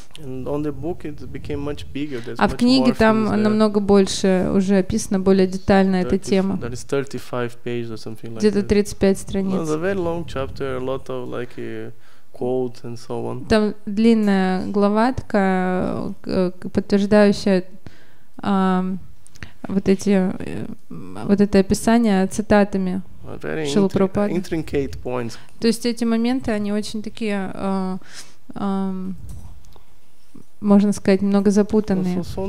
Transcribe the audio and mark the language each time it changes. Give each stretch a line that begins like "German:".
English: And on the book it became much bigger.
Russian: А в книге там намного больше уже описано, более детально эта тема.
English: There is 35 pages or something like
Russian: that. Где-то 35 страниц.
English: It's a very long chapter, a lot of like quotes and so on.
Russian: Там длинная глава такая, подтверждающая это описание цитатами Шрилы Прабхупады.
English: Intricate points.
Russian: То есть эти моменты, они очень такие, можно сказать, много запутанные.